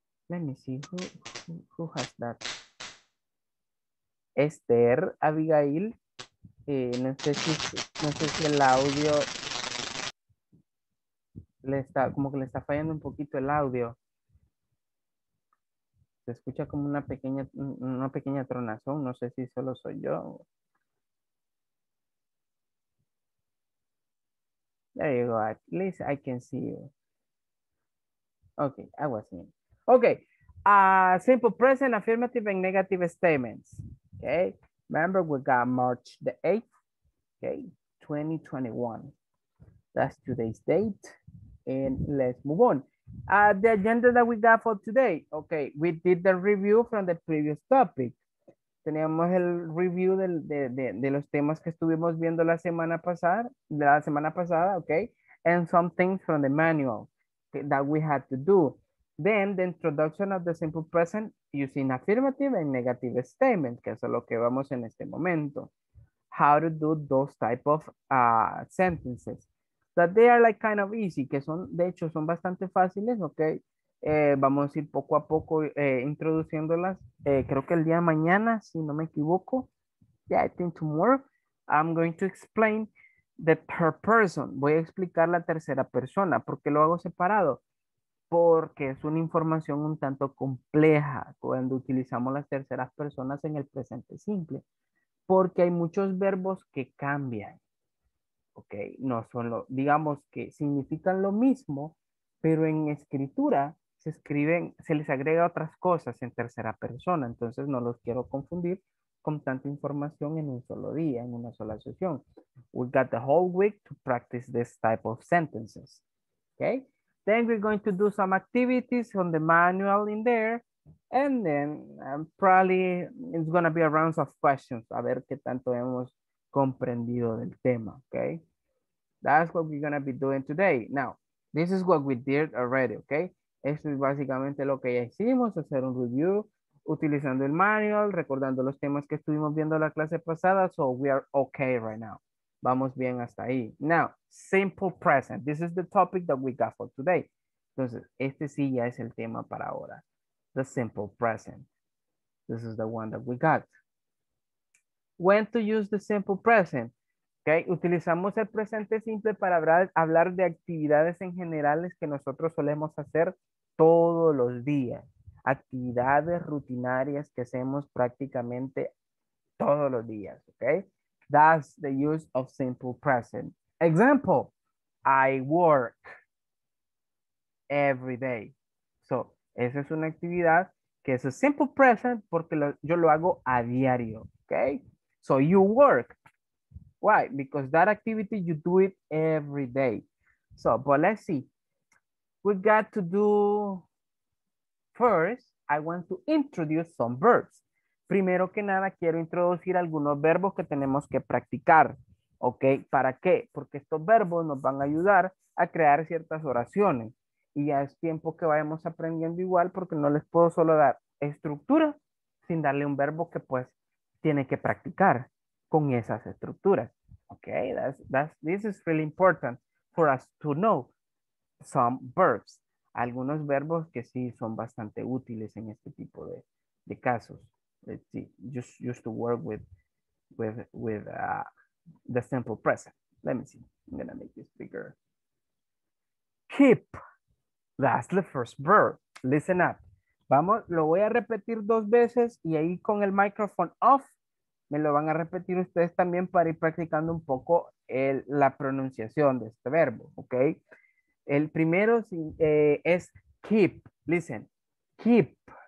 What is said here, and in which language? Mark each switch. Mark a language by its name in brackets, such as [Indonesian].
[English] Let me see who has that. [Spanish] Esther, Abigail, no sé si el audio le está, como que le está fallando un poquito el audio. Se escucha como una pequeña tronazón, no sé si solo soy yo. [English] There you go, at least I can see you. Okay, I was in. Okay, simple present, affirmative, and negative statements. Okay, remember we got March the 8th, okay, 2021. That's today's date, and let's move on. The agenda that we got for today, okay, we did the review from the previous topic. [Spanish] Teníamos el review de los temas que estuvimos viendo la semana pasada, okay? [English] And some things from the manual that we had to do. Then the introduction of the simple present using affirmative and negative statement, [Spanish] que es lo que vamos en este momento. [English] How to do those type of sentences. That they are like kind of easy, [Spanish] que son, de hecho, son bastante fáciles, [English] okay? [Spanish] Vamos a ir poco a poco introduciéndolas. Creo que el día de mañana, si no me equivoco. [English] Yeah, I think tomorrow I'm going to explain the third person. [Spanish] Voy a explicar la tercera persona. ¿Por qué lo hago separado? Porque es una información un tanto compleja cuando utilizamos las terceras personas en el presente simple. Porque hay muchos verbos que cambian. Ok, no solo, digamos que significan lo mismo, pero en escritura se les agrega otras cosas en tercera persona. Entonces no los quiero confundir con tanta información en un solo día, en una sola sesión. [English] We got the whole week to practice this type of sentences. Okay? Then we're going to do some activities on the manual in there. And then probably it's going to be a round of questions. [Spanish] A ver qué tanto hemos comprendido del tema. [English] Okay? That's what we're going to be doing today. Now, this is what we did already, okay? [Spanish] Esto es básicamente lo que ya hicimos, hacer un review utilizando el manual, recordando los temas que estuvimos viendo la clase pasada, [English] so we are okay right now. [Spanish] Vamos bien hasta ahí. [English] Now, simple present. This is the topic that we got for today. [Spanish] Entonces, este sí ya es el tema para ahora. [English] The simple present. This is the one that we got. When to use the simple present? Okay. [Spanish] Utilizamos el presente simple para hablar de actividades en generales que nosotros solemos hacer todos los días. Actividades rutinarias que hacemos prácticamente todos los días. Okay? [English] That's the use of simple present. Example, I work every day. [Spanish] So, esa es una actividad que es a simple present porque yo lo hago a diario. [English] Okay? So, you work. Why? Because that activity, you do it every day. So, but let's see. We got to do, first, I want to introduce some verbs. [Spanish] Primero que nada, quiero introducir algunos verbos que tenemos que practicar. ¿Ok? ¿Para qué? Porque estos verbos nos van a ayudar a crear ciertas oraciones. Y ya es tiempo que vayamos aprendiendo igual, porque no les puedo solo dar estructura sin darle un verbo que pues tiene que practicar con esas estructuras. [English] Okay, this is really important for us to know some verbs. [Spanish] Algunos verbos que sí son bastante útiles en este tipo de casos. [English] Let's see, just to work with the simple present. Let me see, I'm gonna make this bigger. Keep, that's the first verb. Listen up. [Spanish] Vamos, lo voy a repetir dos veces y ahí con el microphone off, me lo van a repetir ustedes también para ir practicando un poco la pronunciación de este verbo, ¿ok? El primero es keep. Listen. Keep.